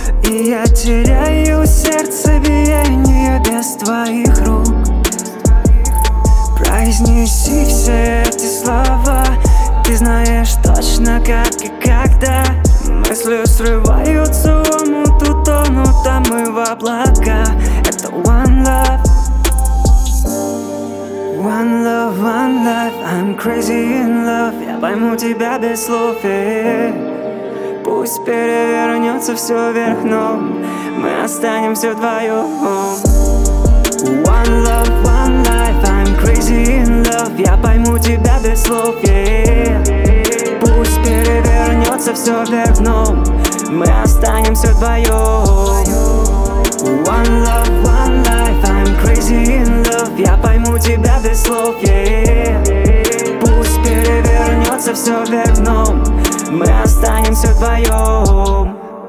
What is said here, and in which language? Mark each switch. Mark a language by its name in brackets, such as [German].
[Russian] И я теряю сердцебиение без твоих рук. Произнеси все эти слова. Ты знаешь точно, как и когда. Мысли срываются в омут, утонут, а мы в облака. Это [English] one love. One love, one life, I'm crazy in love. [Russian] Я пойму тебя без слов, пусть перевернется все вверх дном, мы останемся вдвоем. [English] One love, one life, I'm crazy in love. [Russian] Я пойму тебя без слов, пусть перевернется все вверх дном, мы останемся вдвоем. [English] One love, one life, I'm crazy in love. [Russian] Я пойму тебя без слов, пусть перевернется все вверх дном, мы останемся вдвоем.